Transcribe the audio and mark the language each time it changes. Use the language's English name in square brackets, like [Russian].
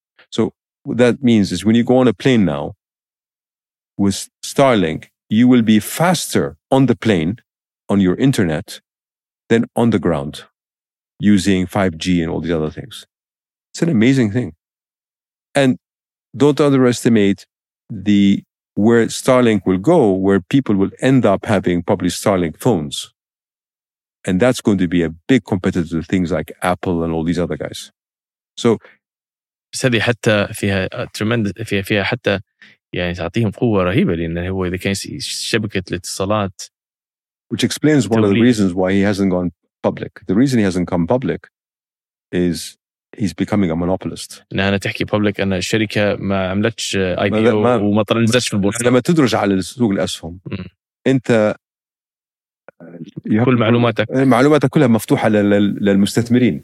[English] So what that means is when you go on a plane now with Starlink, you will be faster on the plane, on your internet, then on the ground using 5G and all these other things. It's an amazing thing. And don't underestimate the where Starlink will go, where people will end up having probably Starlink phones. And that's going to be a big competitor to things like Apple and all these other guys. So [Arabic] هذه حتى فيها tremendous فيها حتى يعني تعطيهم قوة رهيبة لأنه هو إذا كان شبكة الاتصالات. [English] Which explains one of the reasons why he hasn't gone public. The reason he hasn't come public is he's becoming a monopolist. [Arabic] أنا تحكي public أن الشركة ما عملتش IPO وما طرنزتش في البورصة. لما تدرج على السوق الأسهم أنت كل معلوماتك معلوماتك كلها مفتوحة للمستثمرين.